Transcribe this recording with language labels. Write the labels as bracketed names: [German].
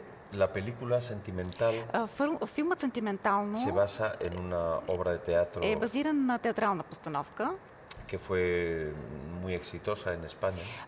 [Spanish] La película Sentimental. [Bulgarian] Филмът Сентиментално. [Spanish] Se basa en una obra de teatro. [Bulgarian] Е базиран на театрална постановка. [Spanish] Que fue muy exitosa en España.